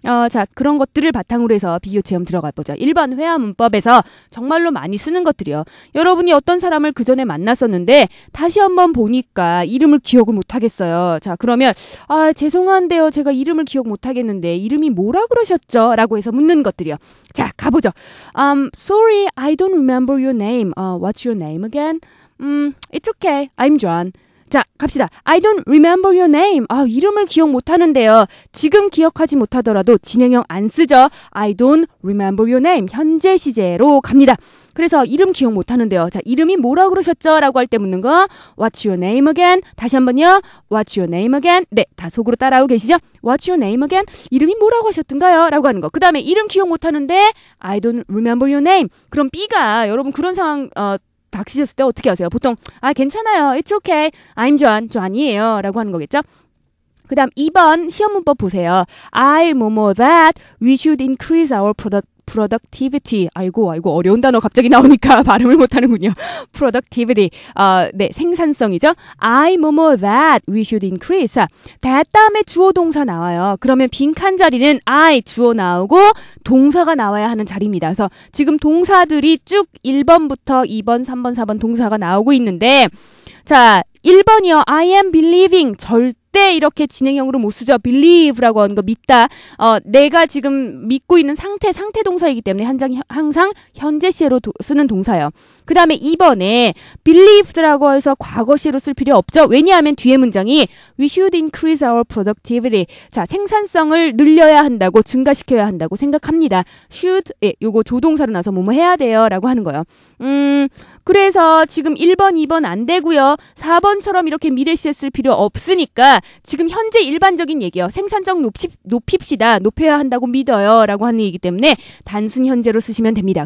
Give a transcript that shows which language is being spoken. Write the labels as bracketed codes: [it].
[ko] 자, 그런 것들을 바탕으로 해서 비교체험 들어가보죠. 1번 회화 문법에서 정말로 많이 쓰는 것들이요. 여러분이 어떤 사람을 그 전에 만났었는데 다시 한번 보니까 이름을 기억을 못하겠어요. 자, 그러면 아, 죄송한데요. 제가 이름을 기억 못하겠는데 이름이 뭐라 그러셨죠? 라고 해서 묻는 것들이요. 자, 가보죠. [en] Sorry, I don't remember your name. What's your name again? It's okay. I'm John. [ko] 자, 갑시다. [en] I don't remember your name. [ko] 아, 이름을 기억 못하는데요. 지금 기억하지 못하더라도 진행형 안 쓰죠. [en] I don't remember your name. [ko] 현재 시제로 갑니다. 그래서 이름 기억 못하는데요. 자, 이름이 뭐라고 그러셨죠? 라고 할 때 묻는 거. [en] What's your name again? [ko] 다시 한 번요. [en] What's your name again? [ko] 네, 다 속으로 따라하고 계시죠? [en] What's your name again? [ko] 이름이 뭐라고 하셨던가요? 라고 하는 거. 그 다음에 이름 기억 못하는데 [en] I don't remember your name. [ko] 그럼 B가 여러분 그런 상황... 닥치셨을 때 어떻게 하세요? 보통 아 괜찮아요. [en] It's okay. I'm John. [ko] John이에요. 라고 하는 거겠죠? 그 다음 2번 시험 문법 보세요. [en] I more that we should increase our productivity. [ko] 아이고 아이고 어려운 단어 갑자기 나오니까 발음을 못하는군요. productivity. 네 생산성이죠. [en] I more that we should increase. [ko] 자, that 다음에 주어 동사 나와요. 그러면 빈칸 자리는 I 주어 나오고 동사가 나와야 하는 자리입니다. 그래서 지금 동사들이 쭉 1번부터 2번, 3번, 4번 동사가 나오고 있는데 자 1번이요. [en] I am believing. [ko] 절대 이렇게 진행형으로 못 쓰죠. believe라고 하는 거 믿다. 내가 지금 믿고 있는 상태 동사이기 때문에 항상 현재 시제로 쓰는 동사예요. 그 다음에 2번에 believed라고 해서 과거 시제로 쓸 필요 없죠. 왜냐하면 뒤에 문장이 [en] we should increase our productivity. [ko] 자, 생산성을 늘려야 한다고 증가시켜야 한다고 생각합니다. should, 예, 요거 조동사로 나서 뭐뭐 해야 돼요. 라고 하는 거예요. 그래서 지금 1번, 2번 안 되고요. 4번처럼 이렇게 미래 시제 쓸 필요 없으니까 지금 현재 일반적인 얘기예요. 생산성 높입시다. 높여야 한다고 믿어요. 라고 하는 얘기 때문에 단순 현재로 쓰시면 됩니다.